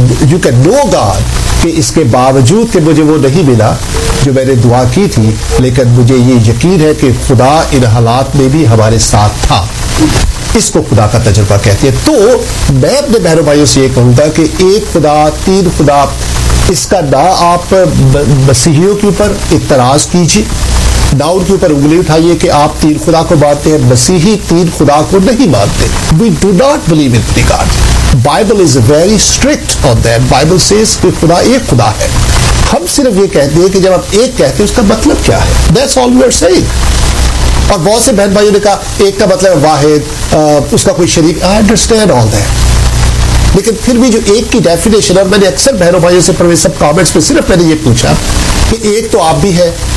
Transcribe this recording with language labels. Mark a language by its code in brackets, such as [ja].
[en] you can know God [ur] کہ اس کے باوجود کہ مجھے وہ نہیں ملا جو میں نے دعا کی تھی, لیکن مجھے یہ یقین ہے کہ خدا ان حالات میں بھی ہمارے ساتھ تھا, اس کو خدا کا تجربہ کہتے ہیں. تو میں اپنے بہنوں بھائیوں سے یہ کہوں گا کہ ایک خدا تین خدا, اس کا نہ آپ مسیحیوں کے اوپر اعتراض کیجیے, نہ ان کے اوپر انگلی اٹھائیے کہ آپ تین خدا کو مانتے ہیں. مسیحی تین خدا کو نہیں مانتے. [en] We do not believe in three God. Bible is very strict on that. Bible says [ur] کہ خدا ایک خدا ہے. ہم صرف یہ کہتے ہیں کہ جب آپ ایک کہتے ہیں اس کا مطلب کیا ہے. [en] That's all we are saying. [ur] اور بہت سے بہن بھائیوں نے کہا ایک کا مطلب واحد, اس کا کوئی شریک. [en] I understand all that. [ur] لیکن پھر بھی جو ایک کی ڈیفینیشن, اور میں نے اکثر بہنوں بھائیوں سے پروے سب کامنٹس میں صرف میں نے یہ پوچھا کہ ایک تو آپ بھی ہے.